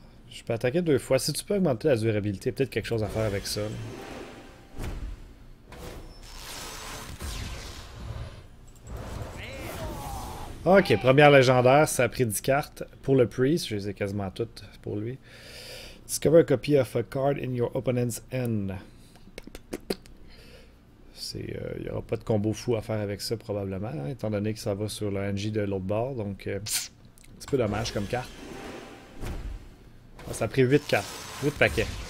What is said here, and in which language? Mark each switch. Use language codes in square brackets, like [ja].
[fr] Je peux attaquer deux fois. Si tu peux augmenter la durabilité, peut-être quelque chose à faire avec ça. Ok, première légendaire, ça a pris 10 cartes. Pour le priest, je les ai quasiment toutes pour lui. [en] Discover a copy of a card in your opponent's hand. [fr] Il n'y aura pas de combo fou à faire avec ça probablement, hein, étant donné que ça va sur le NJ de l'autre bord. Donc, un petit peu dommage comme carte. Ah, ça a pris 8 cartes, 8 paquets.